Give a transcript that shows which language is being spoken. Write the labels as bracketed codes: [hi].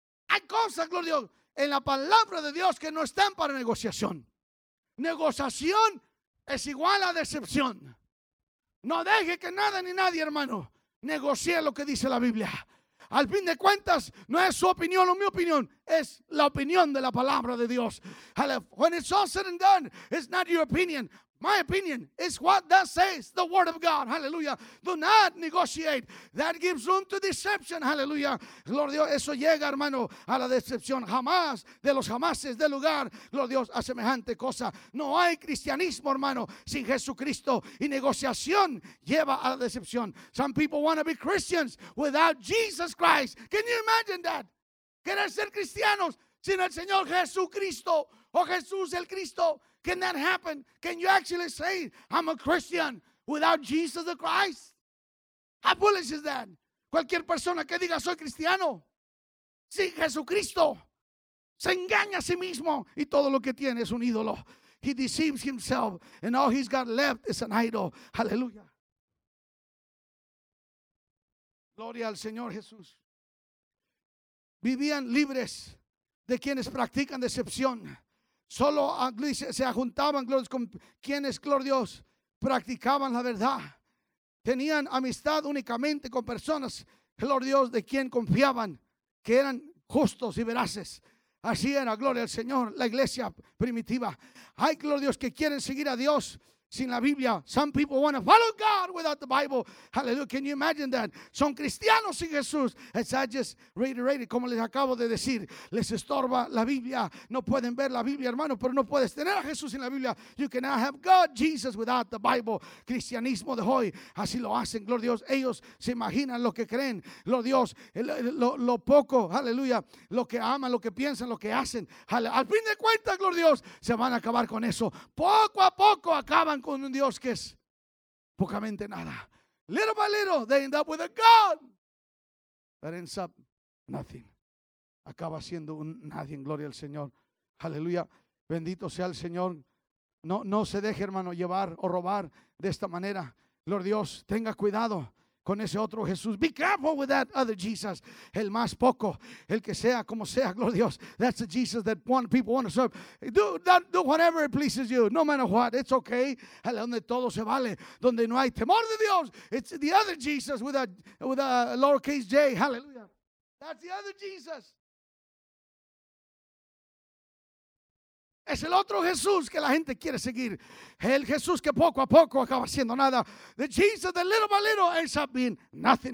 [es] Hay cosas, gloria a Dios, en la palabra de Dios que no están para negociación. Negociación es igual a decepción. No deje que nada ni nadie, hermano, negocie lo que dice la Biblia. Al fin de cuentas, no es su opinión o mi opinión, es la opinión de la palabra de Dios. [en] When it's all said and done, it's not your opinion. My opinion is what that says, the word of God. Hallelujah. Do not negotiate. That gives room to deception. Hallelujah. [es] Gloria a Dios. Eso llega, hermano, a la decepción. Jamás, de los jamases, de lugar, gloria a Dios, a semejante cosa. No hay cristianismo, hermano, sin Jesucristo. Y negociación lleva a la decepción. [en] Some people want to be Christians without Jesus Christ. Can you imagine that? [es] Querer ser cristianos sin el Señor Jesucristo o Jesús el Cristo. [en] Can that happen? Can you actually say, I'm a Christian without Jesus the Christ? How foolish is that? [es] Cualquier persona que diga, soy cristiano, sin Jesucristo, se engaña a sí mismo y todo lo que tiene es un ídolo. [en] He deceives himself and all he's got left is an idol. Hallelujah. [es] Gloria al Señor Jesús. Vivían libres de quienes practican decepción. Solo se juntaban con quienes, gloria a Dios, practicaban la verdad. Tenían amistad únicamente con personas, gloria a Dios, de quien confiaban, que eran justos y veraces. Así era, gloria al Señor, la iglesia primitiva. Hay, gloria a Dios, que quieren seguir a Dios sin la Biblia. [en] Some people want to follow God without the Bible. Hallelujah. Can you imagine that? [es] Son cristianos sin Jesús. [en] As I just reiterated, [es] como les acabo de decir, les estorba la Biblia. No pueden ver la Biblia, hermano, pero no puedes tener a Jesús sin la Biblia. [en] You cannot have God, Jesus, without the Bible. [es] Cristianismo de hoy, así lo hacen. Gloria a Dios. Ellos se imaginan lo que creen. Gloria a Dios. Lo poco, aleluya, lo que aman, lo que piensan, lo que hacen. Al fin de cuentas, gloria a Dios, se van a acabar con eso. Poco a poco acaban con un Dios que es pocamente nada. [en] Little by little they end up with a God that ends up nothing. [es] Acaba siendo un nadie. Gloria al Señor. Aleluya. Bendito sea el Señor. No se deje, hermano, llevar o robar de esta manera. Gloria a Dios, tenga cuidado con ese otro Jesús. [en] Be careful with that other Jesus. [es] El más poco, el que sea, como sea, gloria a Dios. [en] That's the Jesus that one people want to serve. Do whatever it pleases you, no matter what. It's okay. [es] Donde todo se vale, donde no hay temor de Dios. [en] It's the other Jesus with a lowercase J. Hallelujah. That's the other Jesus. [es] Es el otro Jesús que la gente quiere seguir. El Jesús que poco a poco acaba siendo nada. [en] The Jesus that little by little ends up being nothing.